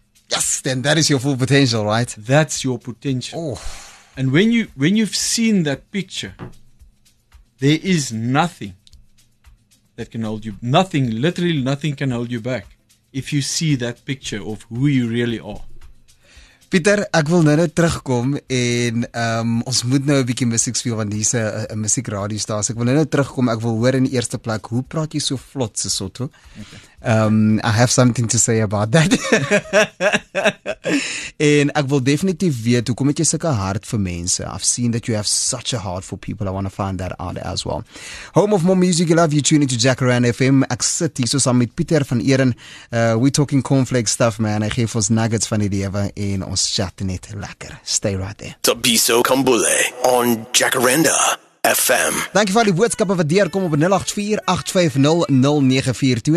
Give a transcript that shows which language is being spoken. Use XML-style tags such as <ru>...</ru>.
<en>Yes, then that is your full potential, right? That's your potential. Oh. And when you've seen that picture, there is nothing that can hold you. Nothing, literally nothing can hold you back if you see that picture of who you really are.</en> <af>Pieter, ek wil nou terugkom en ons moet nou 'n bietjie musiek speel want hier's 'n musiekradiostasie. Ek wil nou terugkom, ek wil hoor in die eerste plek, hoe praat jy so vlot, Sesotho?</af> <en>Okay. I have something to say about that.</en> <af>En ek wil definitief weet, hoekom het jy sulke hart vir mense?</af> <en>I've seen that you have such a heart for people. I want to find that out as well. Home of more music, you love, you tuning to Jacaranda FM.</en> <af>Ek sit hier so saam met Pieter van Eeren.</af> <en>We're talking cornflake stuff, man.</en> <af>Hy gee ons nuggets van die lewe en ons chat net lekker.</af> <en>Stay right there. Tabiso Kambule on Jacaranda FM.</en> <af>Dankie vir al die boodskappe wat deurkom op 0848500942.</af>